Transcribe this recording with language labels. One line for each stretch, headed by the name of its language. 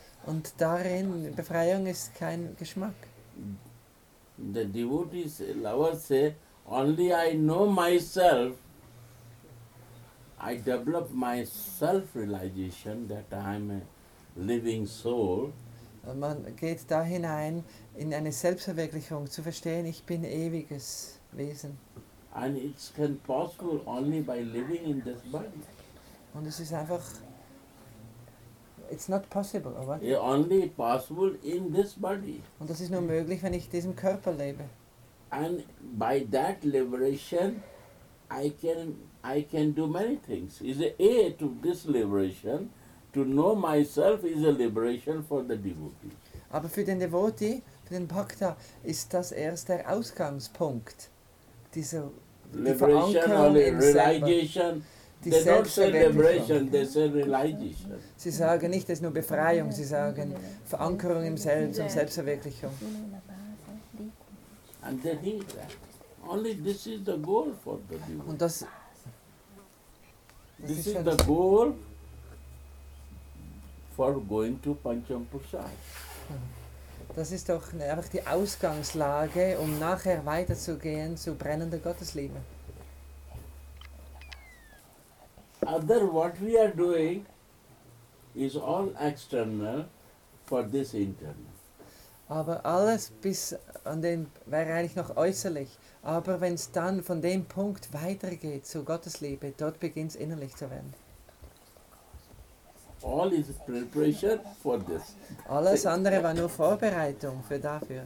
German: Und darin Befreiung ist kein Geschmack.
English: The devotees, lovers say, only I know myself, I develop my self-realization that I am a living soul.
German: Man geht da hinein, in eine Selbstverwirklichung zu verstehen, ich bin ewiges Wesen.
English: And it can possible only by living in this body.
German: Und es ist einfach,
English: it's not possible, or what? It's only possible in this body.
German: Und das ist nur möglich, wenn ich diesem Körper lebe.
English: And by that liberation, I can do many things. Is the A to this liberation, to know myself is a liberation for the devotee.
German: Aber für den Devotee, für den Bhakta, ist das erst der Ausgangspunkt, diese
English: Liberation,
German: die Verankerung in
English: realization.
German: Die
English: they don't say liberation, they say realization.
German: Sie sagen nicht, es ist nur Befreiung, sie sagen Verankerung im Selbst und Selbstverwirklichung.
English: And they need that. Only this is the goal for the devotee.
German: Und das
English: this is the goal for going to Pancham Purusartha.
German: Das ist doch einfach die Ausgangslage, um nachher weiterzugehen zu brennender Gottesliebe.
English: Other what we are doing is all external for this internal.
German: Aber alles bis an den wäre eigentlich noch äußerlich. Aber wenn es dann von dem Punkt weitergeht zu Gottes Liebe, dort beginnt es innerlich zu werden.
English: All is preparation for this.
German: Alles andere war nur Vorbereitung für dafür.